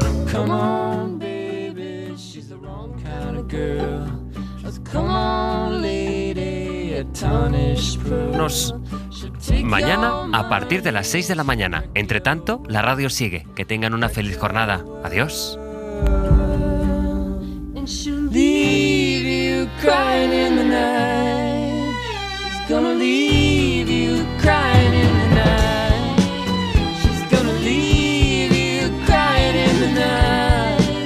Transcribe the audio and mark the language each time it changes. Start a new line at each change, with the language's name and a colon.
English: Come on, baby, she's the wrong kind of girl. Come on, lady, a tarnished pearl.
Spanish: Mañana a partir de las 6 de la mañana. Entre tanto, la radio sigue. Que tengan una feliz jornada. Adiós.
English: And she'll leave you crying in the night. She's gonna leave you crying in the night. She's gonna leave you crying in the night.